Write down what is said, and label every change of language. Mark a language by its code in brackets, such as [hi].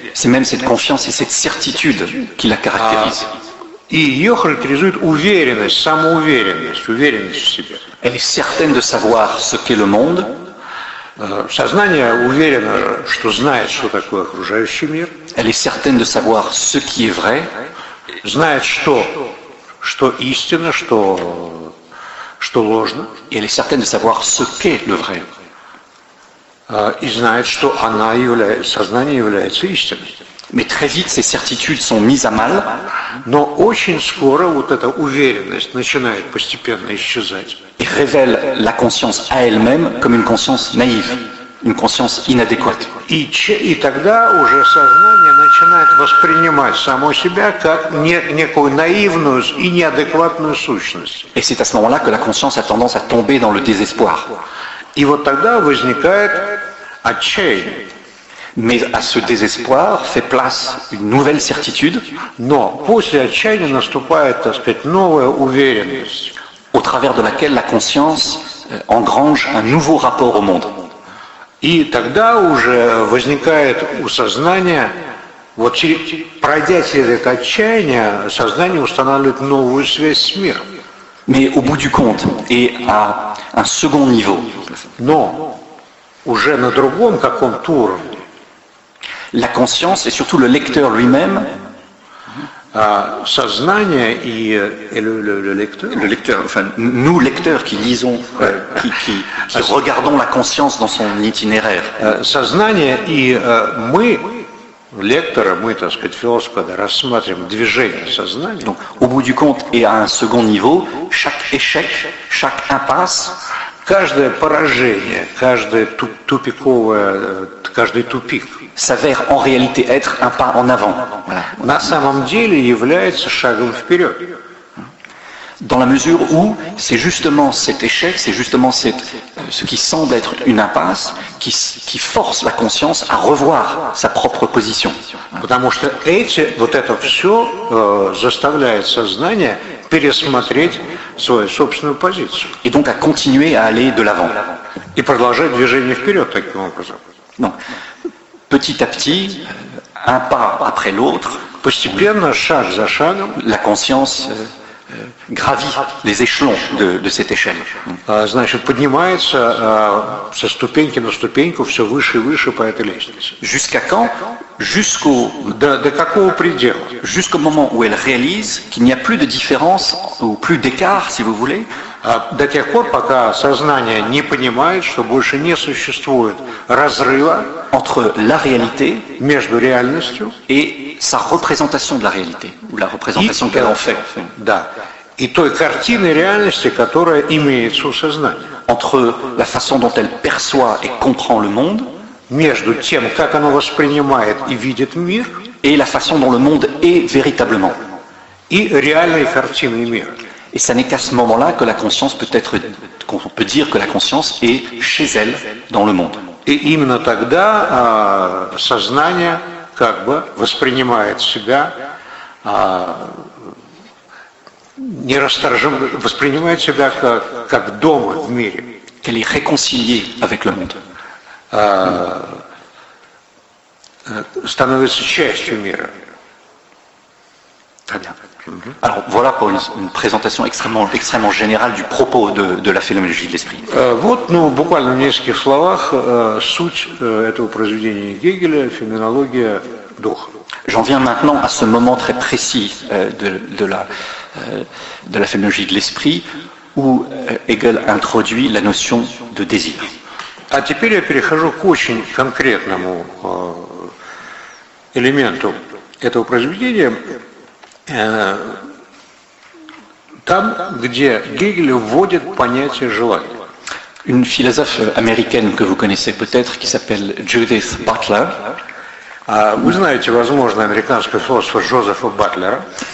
[fr] C'est même cette confiance et cette certitude qui la caractérise. [ru] И ее характеризует уверенность, самоуверенность, уверенность в себе. [fr] Elle est certaine de savoir ce qu'est le monde. [ru] Сознание уверено, что знает, что такое окружающий мир. [fr] Elle est certaine de savoir ce qui est vrai. [ru] Знает, что истина, что ложно. [fr] Et elle est certaine de savoir ce qu'est le vrai. [ru] И знает, что она является, сознание является истиной. [fr] Mais très vite, ces certitudes sont mises à mal. [ru] Но очень скоро вот эта уверенность начинает постепенно исчезать. [fr] Et révèle la conscience à elle-même comme une conscience naïve, une conscience inadéquate. [ru] И тогда уже сознание начинает воспринимать само себя как некую наивную и неадекватную сущность. [fr] Et c'est à ce moment-là que la conscience a tendance à tomber dans le désespoir. [ru] И вот тогда возникает отчаяние. [fr] Mais à ce désespoir fait place une nouvelle certitude. [ru] Но после отчаяния наступает, так сказать, новая уверенность. [fr] Au travers de laquelle la conscience engrange un nouveau rapport au monde. [ru] И тогда уже возникает у сознания, вот пройдя через это отчаяние, сознание устанавливает новую связь с миром. [fr] Mais au bout du compte, et à un second niveau. [ru] Но уже на другом каком-то уровне. [fr] La conscience et surtout le lecteur lui-même. [ru] Сознание и [fr] le lecteur, enfin nous lecteurs qui lisons, qui regardons la conscience dans son itinéraire. [ru] Сознание и мы лектора, мы, так сказать, философы, когда рассматриваем движение сознания. [fr] Donc au bout du compte et à un second niveau, chaque échec, chaque impasse. [ru] Каждое поражение, каждый тупик [fr] s'avère en réalité être un pas en avant. Voilà. [ru] На самом деле является шагом вперед. [fr] Dans la mesure où c'est justement cet échec, c'est justement ce qui semble être une impasse qui force la conscience à revoir sa propre position. [ru] Потому что вот это все заставляет сознание пересмотреть свою собственную позицию. [fr] Et donc à continuer à aller de l'avant. [ru] И продолжать движение вперед таким образом. [fr] Donc, petit à petit, un pas après l'autre, [ru] постепенно, шаг за шагом, [fr] la conscience gravit les échelons de cette échelle. [ru] Значит, поднимается со ступеньки на ступеньку все выше и выше по этой лестнице. [fr] Jusqu'à quand? Jusqu'au. De [ru] какого предела? [fr] Jusqu'au moment où elle réalise qu'il n'y a plus de différence ou plus d'écart, si vous voulez. [ru] До тех пор, пока сознание не понимает, что больше не существует разрыва [fr] entre la réalité [ru] между реальностью [fr] et sa représentation de la réalité ou la représentation qu'elle en fait. [ru] Да. И той картины реальности, которая имеется у сознания [fr] entre la façon dont elle perçoit et comprend le monde [ru] между тем, как оно воспринимает и видит мир [fr] et la façon dont le monde est véritablement [ru] и реальной картины мира. [fr] Et ça n'est qu'à ce moment-là que la conscience peut être, qu'on peut dire que la conscience est chez elle, dans le monde. Et [ru] именно тогда сознание как бы воспринимает себя нерасторжимо, воспринимает себя как дома в мире. [fr] Qu'elle est réconciliée avec le monde. [ru] Становится частью мира. [fr] Très bien. Alors voilà pour une présentation extrêmement, extrêmement générale du propos de la phénoménologie de l'esprit. [ru] Вот, ну, буквально в нескольких словах, суть этого произведения Гегеля – «Феноменология духа». [fr] J'en viens maintenant à ce moment très précis de la phénoménologie de l'esprit où Hegel introduit la notion de désir. [ru] А теперь я перехожу к очень конкретному элементу этого произведения – там, где Гегель вводит понятие желания. [fr] Une philosophe américaine que vous connaissez peut-être, qui s'appelle Judith Butler. [ru] Вы знаете, возможно, американского философа Джозефа Батлера.